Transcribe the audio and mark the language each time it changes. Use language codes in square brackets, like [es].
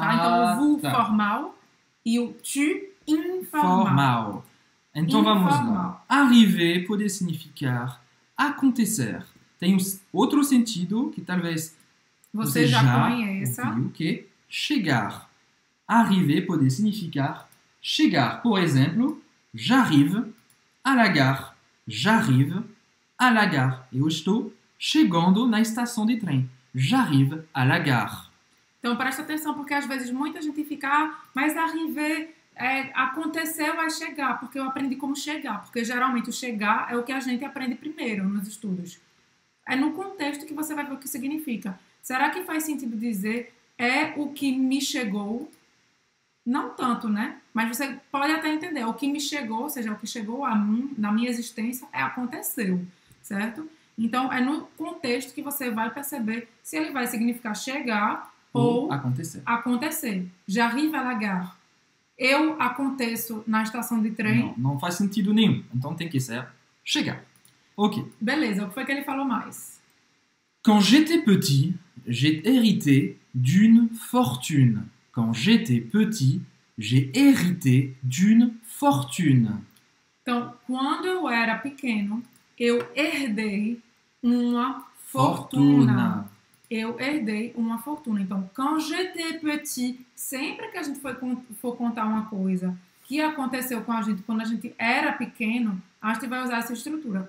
[pt] Ah, então, o vous tá. Formal e o tu informal. Formal. Então, informal. Vamos lá. Arriver pode significar acontecer. tem outro sentido que talvez você já conheça. O que chegar, arriver pode significar chegar. Por exemplo, [fr] j'arrive à la gare. J'arrive à la gare. [pt] Eu estou chegando na estação de trem. [fr] J'arrive à la gare. [pt] Então presta atenção, porque às vezes muita gente fica, mas arriver é, aconteceu, vai chegar, porque eu aprendi como chegar, porque geralmente o chegar é o que a gente aprende primeiro nos estudos. É no contexto que você vai ver o que significa. Será que faz sentido dizer é o que me chegou? Não tanto, né? Mas você pode até entender, o que me chegou, ou seja, o que chegou a mim, na minha existência, é aconteceu, certo? Então é no contexto que você vai perceber se ele vai significar chegar ou acontecer. Acontecer. [fr] J'arrive à la gare. [pt] Eu aconteço na estação de trem. Não faz sentido nenhum. Então tem que ser chegar. Ok. Beleza. O que foi que ele falou mais? [fr] Quand j'étais petit, j'ai hérité d'une fortune. Quand j'étais petit, j'ai hérité d'une fortune. [pt] Então, quando eu era pequeno, eu herdei uma fortuna. Eu herdei uma fortuna. Então, [fr] quand j'étais petit, [pt] sempre que a gente for contar uma coisa que aconteceu com a gente quando a gente era pequeno, a gente vai usar essa estrutura.